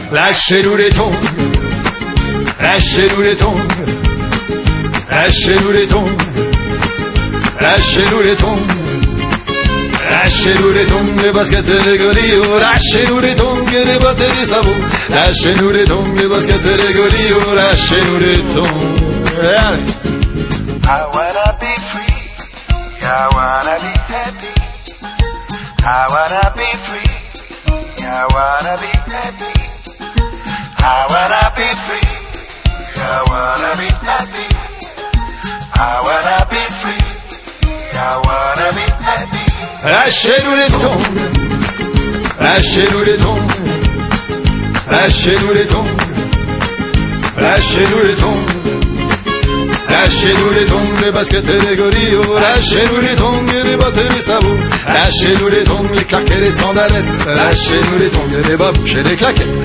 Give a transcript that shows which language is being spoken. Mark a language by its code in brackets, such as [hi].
[fr] Lâchez-nous les tongs, lâchez-nous les tongs, lâchez-nous les tongs, lâchez-nous les tongs, lâchez-nous les tongs, les baskets et les godillots, lâchez-nous les tongs et les bottes et les sabots, lâchez-nous les tongs, les baskets et les godillots, lâchez-nous les tongs. Et allez. [en] I wanna be free, I wanna be happy, I wanna be free, I wanna be happy. I wanna be free, I wanna be happy. I wanna be free, I wanna be happy. [fr] Lâchez-nous les tongs, lâchez-nous les tongs, lâchez-nous les tongs, lâchez-nous les tongs. Lâchez-nous les tongs, les baskets et les godillots, lâchez-nous les tongs et les bottes et les sabots, lâchez-nous les tongs, les claquettes et les sandalettes, lâchez-nous les tongs et les babouches et les claquettes,